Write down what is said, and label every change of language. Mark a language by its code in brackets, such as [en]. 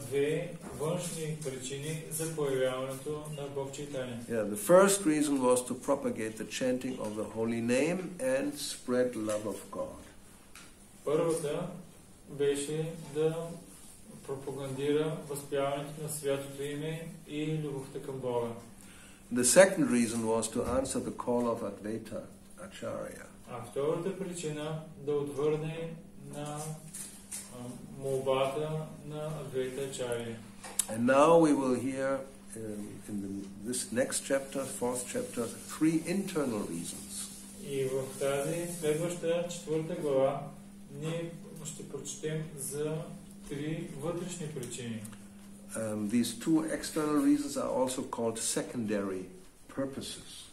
[bg] две външни причини за появяването на Бог Чайтанья. [en] Yeah, the first reason was to propagate the chanting of the holy name and spread love of God. [bg] Първата беше да пропагандира възпяването на святото име и любовта към Бога. [en] The second reason was to answer the call of Advaita Acharya. [bg] А втората причина да отвърне на молбата на Адвайта Ачария. [en] And now we will hear in this next chapter, fourth chapter, three internal reasons. [bg] И в тази следваща четвърта глава ние ще прочетем за три вътрешни причини. [en] These two external reasons are also called secondary purposes.